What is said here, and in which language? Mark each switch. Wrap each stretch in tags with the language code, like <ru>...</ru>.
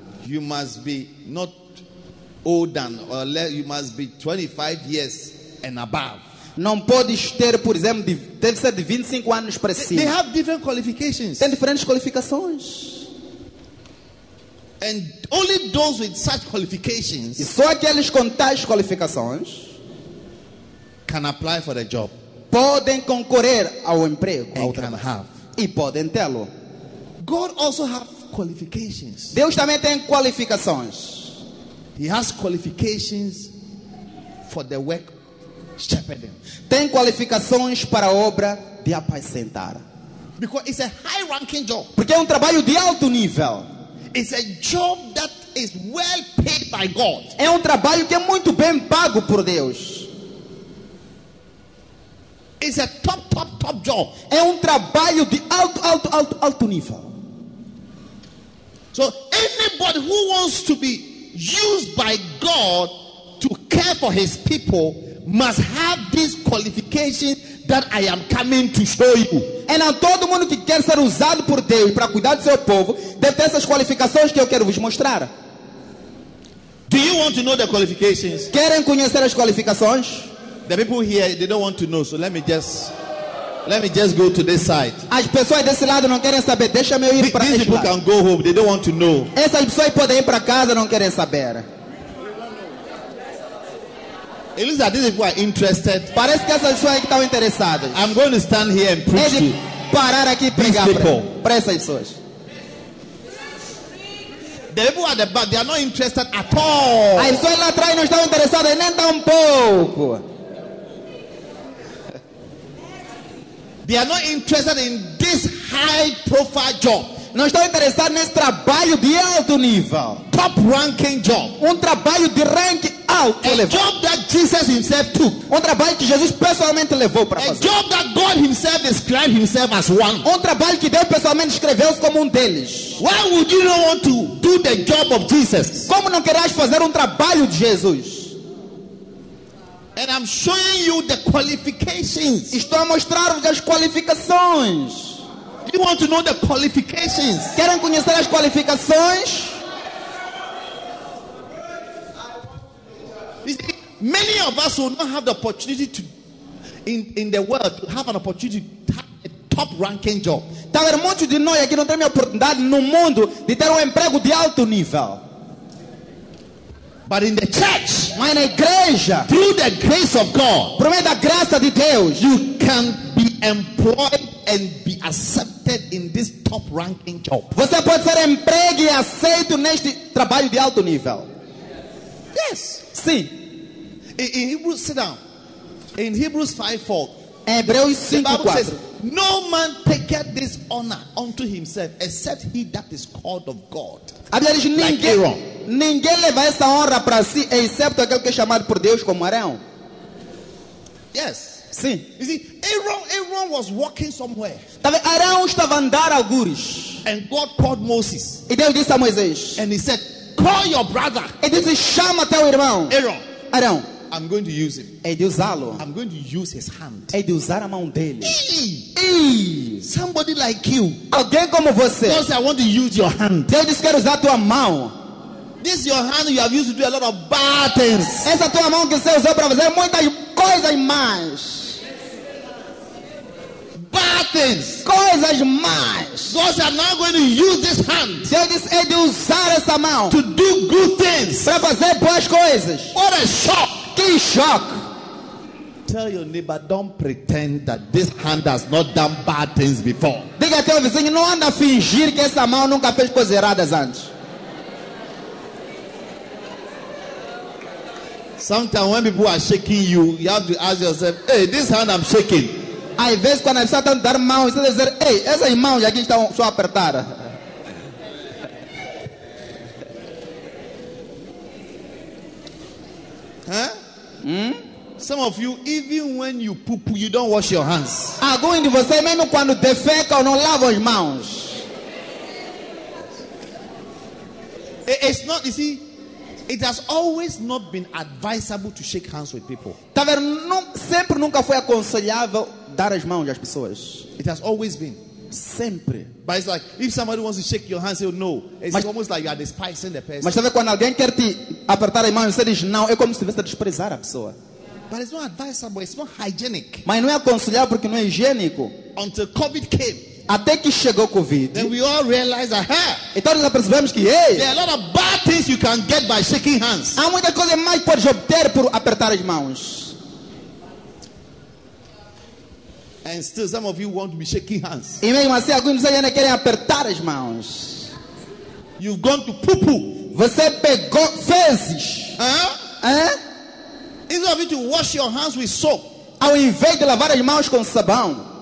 <en>You must be not older, or you must be 25 years and above.</en> <pt>Não podes ter, por exemplo, deve ser de 25 anos para cima.</pt> <en>They have different qualifications.</en> <pt>Tem diferentes qualificações.</pt> <en>And only those with such qualifications,</en> <pt>e só aqueles com tais qualificações,</pt> <en>can apply for the job.</en> <pt>Podem concorrer ao emprego.</pt> <en>And can have.</en> <pt>E podem tê-lo.</pt> <en>God also have qualifications.</en> <pt>Deus também tem qualificações.</pt> <en>He has qualifications for the work shepherding.</en> <pt>Tem qualificações para a obra de apacentar.</pt> <en>Because it's a high ranking job.</en> <pt>Porque é trabalho de alto nível.</pt> <en>It's a job that is well paid by God.</en> <pt>É trabalho que é muito bem pago por Deus.</pt> <en>It's a top job.</en> <pt>É trabalho de alto nível.</pt> <en>So anybody who wants to be used by God to care for his people must have this qualification that I am coming to show you. And now,</en> <pt>todo mundo que quer ser usado por Deus para cuidar do seu povo deve ter essas qualificações que eu quero vos mostrar.</pt> <en>Do you want to know the qualifications?</en> <pt>Querem conhecer as qualificações?</pt> <en>The people here, they don't want to know, so let me just go to this side.</en> <pt>As pessoas desse lado não querem saber. Deixa eu ir para esse lado.</pt> <en>Can go home. They don't want to know.</en> <pt>Essas pessoas podem ir para casa, não querem saber.</pt> <en>It looks like these people are interested.</en> <pt>Parece que essas pessoas estão interessadas.</pt> <en>I'm going to stand here and preach to</en> <pt>parar aqui pregar para essas pessoas.</pt> <en>The people at the back, they are not interested at all.</en> <pt>As pessoas lá atrás não estão interessadas nem tampouco.</pt> <en>They are not interested in this high profile job.</en> <pt>Não estão interessados nesse trabalho de alto nível.</pt> <en>Top ranking job.</en> <pt>Trabalho de rank alto. A elevado.</pt> <en>Job that Jesus himself took.</en> <pt>Trabalho que Jesus pessoalmente levou para fazer.</pt> <en>A job that God himself described himself as one.</en> <pt>Trabalho que Deus pessoalmente escreveu-se como deles.</pt> <en>Why would you not want to do the job of Jesus?</en> <pt>Como não querias fazer trabalho de Jesus?</pt> <en>And I'm showing you the qualifications.</en> <pt>Estou a mostrar-vos as qualificações.</pt> <en>Do you want to know the qualifications?</en> <pt>Querem conhecer as qualificações?</pt> <en>You see, many of us will not have the opportunity to in the world to have an opportunity to have a top ranking job.</en> <pt>Talvez muitos de nós aqui não tenham a oportunidade no mundo de ter emprego de alto nível.</pt> <en>But in the church,</en> <pt>mas na igreja,</pt> <en>through the grace of God,</en> <pt>por meio da graça de Deus,</pt> <en>you can be employed and be accepted in this top-ranking job.</en> <pt>Você pode ser emprego e aceito neste trabalho de alto nível.</pt> <en>Yes.</en> <pt>Sim.</pt> <en>In Hebrews, sit down. In Hebrews 5:4.</en> <pt>Hebreus 5:4.</pt> <en>Says, no man taketh this honor unto himself except he that is called of God.</en> <pt>A Bíblia diz, ninguém leva essa honra para si, exceto aquele que é chamado por Deus como Arão.</pt> <en>Yes.</en> <pt>Sim.</pt> <en>You see, Aaron was walking somewhere.</en> <pt>Tava Arão estava andar algures.</pt> <en>And God called Moses.</en> <pt>E Deus disse a Moisés.</pt> <en>And he said, call your brother.</en> <pt>E disse, chama teu irmão.</pt> <en>Aaron.</en> <pt>Arão.</pt> <en>I'm going to use him.</en> <pt>É de usá-lo.</pt> <en>I'm going to use his hand.</en> <pt>É de usar a mão dele.</pt> <en>Hey, somebody like you.</en> <pt>Alguém como você.</pt> <en>God said, I want to use your hand.</en> <pt>Deus disse, quero usar tua mão.</pt> <en>This is your hand you have used to do a lot of bad things.</en> <pt>Essa tua mão que você usou para fazer muitas coisas más.</pt> <en>Bad things.</en> <pt>Coisas más.</pt> <en>God said, I'm not going to use this hand.</en> <pt>Deus disse, é de usar essa mão.</pt> <en>To do good things.</en> <pt>Para fazer boas coisas.</pt> <en>What a shock.</en> <pt>Que shock.</pt> <en>Tell your neighbor, don't pretend that this hand has not done bad things before.</en> <pt>Diga ao teu vizinho, não anda a fingir que essa mão nunca fez coisas erradas antes.</pt> <en>Sometimes when people are shaking you, you have to ask yourself, hey, this hand I'm shaking.</en> <pt>Às vezes quando a pessoa está dando mão, você deve dizer, hey, essa mão já aqui está só apertada.</pt> <en>Some of you, even when you poo, you don't wash your hands.</en> <pt>Alguns de vocês, mesmo quando defeca, não lava as mãos.</pt> <en>It's not, you see, it has always not been advisable to shake hands with people.</en> <pt>Tá vendo? Sempre nunca foi aconselhável dar as mãos às pessoas.</pt> <en>It has always been.</en> <pt>Sempre.</pt> <en>But it's like, if somebody wants to shake your hand, say no. It's mas, almost like you are despising the person.</en> <pt>Mas sabe quando alguém quer te apertar a mão, você diz não, é como se estivesse a desprezar a pessoa.</pt> <en>But it's not advisable, it's not hygienic.</en> <pt>Mas não é aconselhável porque não é higiênico.</pt> <en>Until COVID came.</en> <pt>Até que chegou o Covid.</pt> <en>Then we all realize that,</en> <pt>então nós percebemos que, hey,</pt> <en>there are a lot of bad things you can get by shaking hands.</en> <pt>Há muita coisa mais que pode obter por apertar as mãos.</pt> <en>And still some of you want to be shaking hands.</en> <pt>E mesmo assim, alguns de vocês ainda querem apertar as mãos.</pt> <en>You've gone to poo-poo.</en> <pt>Você pegou fezes.</pt> <en>Instead of you to wash your hands with soap.</en> <pt>Ao invés de lavar as mãos com sabão.</pt>